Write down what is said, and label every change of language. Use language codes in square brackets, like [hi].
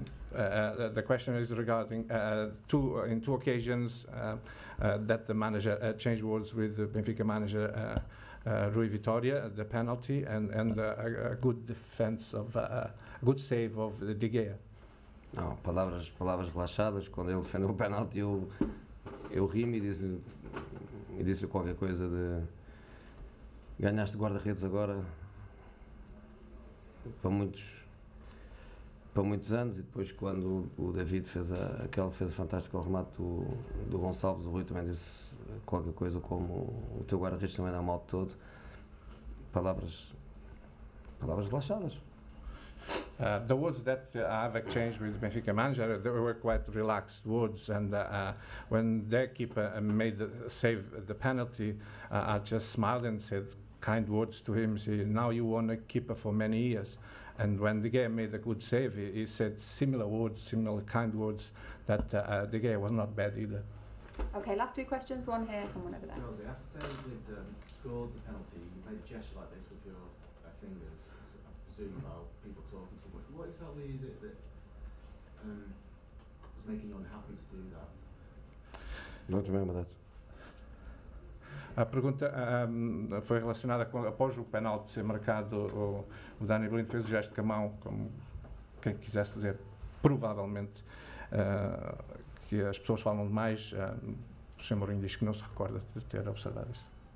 [en] The question is regarding two occasions that the manager changed words with the Benfica manager Rui Vitória, the penalty and a good defense of a good save of De Gea. [pt] Não, palavras relaxadas. Quando ele defendeu o penalty, eu ri e disse qualquer coisa de ganhaste guarda-redes agora para muitos anos. E depois, quando o David fez aquela defesa fantástica ao remate do Gonçalves, o Rui também disse qualquer coisa como o teu guarda-redes também dá mal de todo. Palavras relaxadas. [en] The words that I've exchanged with Benfica manager, they were quite relaxed words, and when their keeper made the save the penalty, I just smiled and said kind words to him. Say, now you won a keeper for many years. And when De Gea made a good save, he said similar kind words, that De Gea was not bad either. Okay, last two questions, one here and one over there. After David scored the penalty, you made a gesture like this with your fingers, presuming about people talking too much. What exactly is it that was making you unhappy to do that? Don't remember that. [pt] A pergunta foi relacionada com, após o penalti ser marcado, o Dani Blind fez o gesto com a mão, como quem quisesse dizer, provavelmente, que as pessoas falam demais. O Sr. Mourinho diz que não se recorda de ter observado isso.